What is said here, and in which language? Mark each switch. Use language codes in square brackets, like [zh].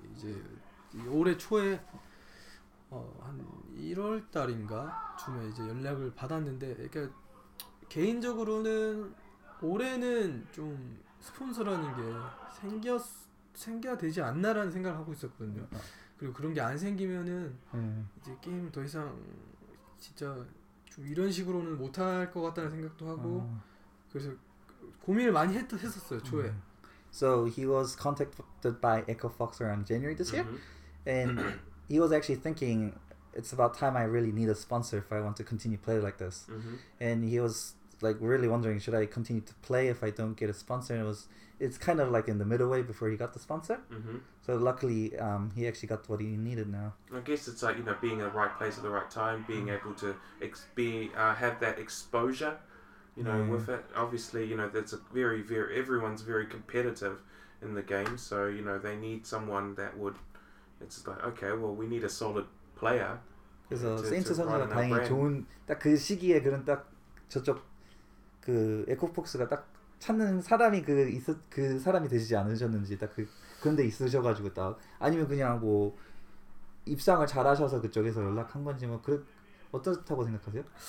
[ko] 이제 올해 초에 한 1월 달인가 쯤에 이제 연락을 받았는데 그러니까 개인적으로는 올해는 좀 스폰서라는 게 생겨야 되지 않나라는 생각을 하고 있었거든요. 그리고 그런 게 안 생기면은 이제 게임을 더 이상 진짜 좀 이런 식으로는 못 할 것 같다는 생각도 하고 그래서 고민을 많이 했었어요, 초에. [en] So he was contacted by Echo Fox around January this year, mm-hmm. and he was actually thinking, it's about time I really need a sponsor if I want to continue playing like this. Mm-hmm. And he was like really wondering, should I continue to play if I don't get a sponsor? And it's kind of like in the middle way before he got the sponsor. Mm-hmm. So luckily, he actually got what he needed now. I guess it's like, you know, being in the right place at the right time, being mm-hmm. able to have that exposure. You know, with it, obviously, you know, that's a very, very, everyone's very competitive in the game. So, you know, they need someone that would, it's like, okay, well, we need a solid player. [ko] 그래서 세인트 선수가 다행히 좋은, 딱 그 시기에 그런 딱 저쪽 그 에코폭스가 딱 찾는 사람이 그 사람이 되시지 않으셨는지 딱 그런 데 있으셔가지고 딱 아니면 그냥 뭐 입상을 잘하셔서 그쪽에서 연락한 건지 뭐 어떻다고 생각하세요?